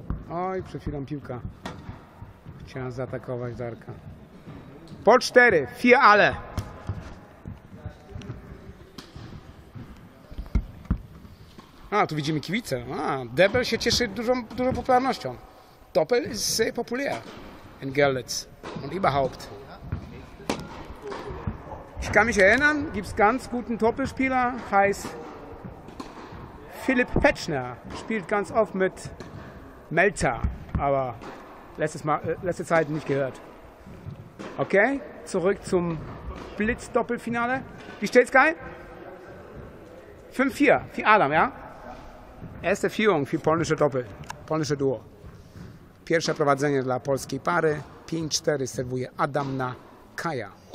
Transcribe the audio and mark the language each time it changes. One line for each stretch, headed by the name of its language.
Polish: Oj, przed chwilą piłka chciała zaatakować Darka. Po 4, fie ale. A, tu widzimy kibice. A, Debel się cieszy dużą popularnością.
German: Doppel ist sehr populär in Görlitz und überhaupt. Ich kann mich erinnern, gibt es ganz guten Doppelspieler, heißt Philipp Petschner, spielt ganz oft mit Melzer, aber letzte Zeit nicht gehört. Okay, zurück zum Blitz-Doppelfinale. Wie steht's, Kai? 5-4 für Adam, ja? Erste Führung für polnische Doppel, polnische Duo.
Polish: Pierwsze prowadzenie dla polskiej pary. 5-4 serwuje Adam na Kaja.